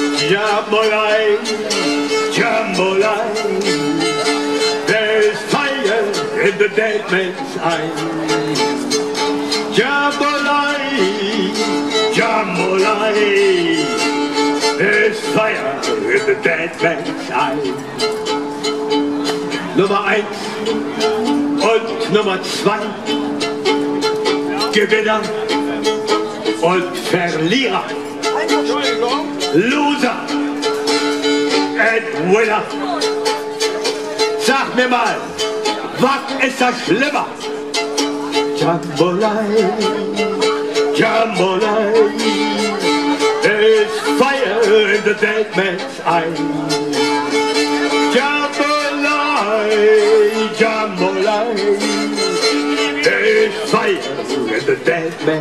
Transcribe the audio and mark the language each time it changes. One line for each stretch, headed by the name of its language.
English: Jambolei, Jambolei, there is fire in the dead man's eye. Jambolei, Jambolei, there is fire in the dead man's eye.
German: Nummer eins und Nummer zwei. Gewinner und Verlierer,
English: Loser and Winner.
German: Sag mir mal, was ist das Schlimmer?
English: Jambolei, Jambolei, there is fire in the dead man's eye. Jambolei, Jambolei, there is fire.